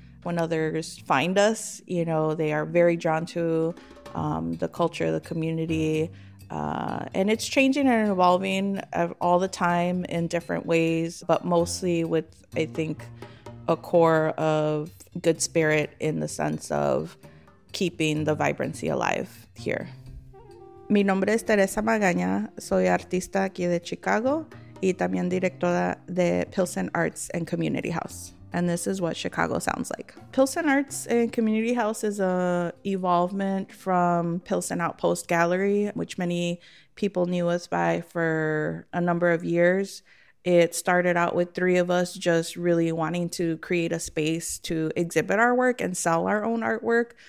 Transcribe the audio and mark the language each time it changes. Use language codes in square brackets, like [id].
[en] When others find us, you know, they are very drawn to the culture, the community. And it's changing and evolving all the time in different ways, but mostly with, I think, a core of good spirit in the sense of keeping the vibrancy alive here. [es] Mi nombre es Teresa Magaña, soy artista aquí de Chicago y también directora de Pilsen Arts and Community House. [en] And this is what Chicago sounds like. Pilsen Arts and Community House is an evolvement from Pilsen Outpost Gallery, which many people knew us by for a number of years. It started out with three of us just really wanting to create a space to exhibit our work and sell our own artwork.